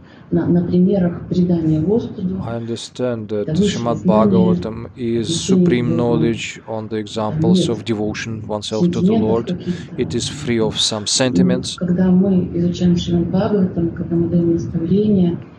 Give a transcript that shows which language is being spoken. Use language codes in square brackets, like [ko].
[ru] На примерах предания Господу. [en] I understand that Shrimad Bhagavatam is supreme knowledge on the examples of devotion oneself to the Lord. It is free of some sentiments. [ru] Когда мы изучаем Шримад Бхагаватам, когда мы даем наставления,